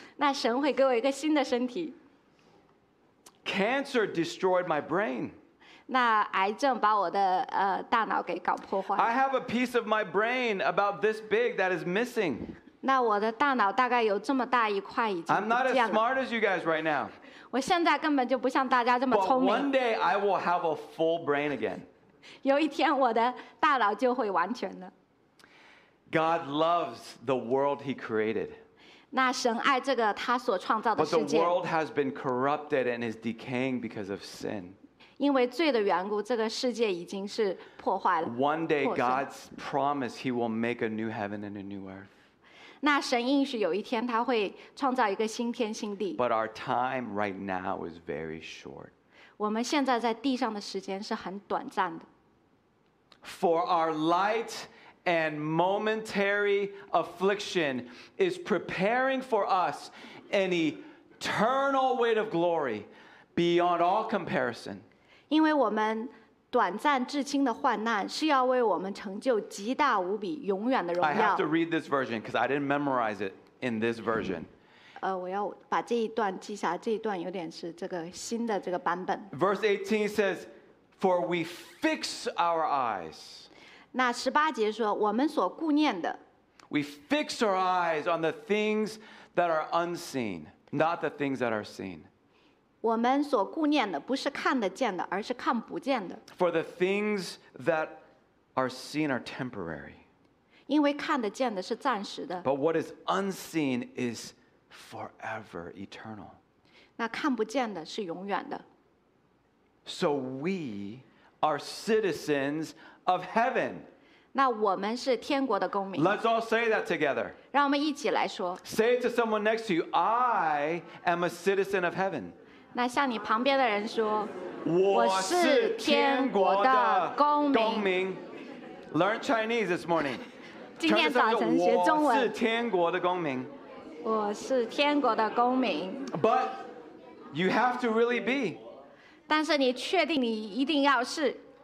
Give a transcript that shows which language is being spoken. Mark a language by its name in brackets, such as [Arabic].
[Chinese] 那神会给我一个新的身体。 [English] Cancer destroyed my brain. [Chinese] 那癌症把我的大脑给搞破坏。 [English] I have a piece of my brain about this big that is missing. [Chinese] 那我的大脑大概有这么大一块已经不见了。 [English] I'm not as smart as you guys right now. [Chinese] 我现在根本就不像大家这么聪明。 [English] But one day I will have a full brain again. [Chinese] 有一天我的大脑就会完全的。 [English] God loves the world He created. [Chinese] 那神爱这个他所创造的世界。 [English] But the world has been corrupted and is decaying because of sin. [Chinese] 因为罪的缘故，这个世界已经是破坏了。 [English] One day, God's promise, He will make a new heaven and a new earth. [Chinese] 那神应许有一天他会创造一个新天新地。 [English] But our time right now is very short. [Chinese] 我们现在在地上的时间是很短暂的。 [English] For our light and momentary affliction is preparing for us an eternal weight of glory beyond all comparison. [Chinese] 因为我们短暂至轻的患难是要为我们成就极大无比永远的荣耀。 [English] I have to read this version because I didn't memorize it in this version. [Chinese] 我要把这一段记下，这一段有点是这个新的这个版本。 [English] Verse 18 says, "For we fix our eyes." [Chinese] 那十八节说，我们所顾念的。 [English] We fix our eyes on the things that are unseen, not the things that are seen. [Chinese] 我们所顾念的不是看得见的，而是看不见的。 [English] For the things that are seen are temporary. [Chinese] 因为看得见的是暂时的。 [English] But what is unseen is forever eternal. [Chinese] 那看不见的是永远的。 [English] So we are citizens of heaven. [Chinese] 那我们是天国的公民。 [English] Let's all say that together. [Chinese] 让我们一起来说。 [English] Say it to someone next to you, I am a citizen of heaven. [Chinese] 那向你旁边的人说，我是天国的公民。 [English] Learn Chinese this morning. [Chinese] 今天早晨学中文。我是天国的公民。我是天国的公民。 [English] But you have to really be. [Chinese] 但是你确定你一定要是。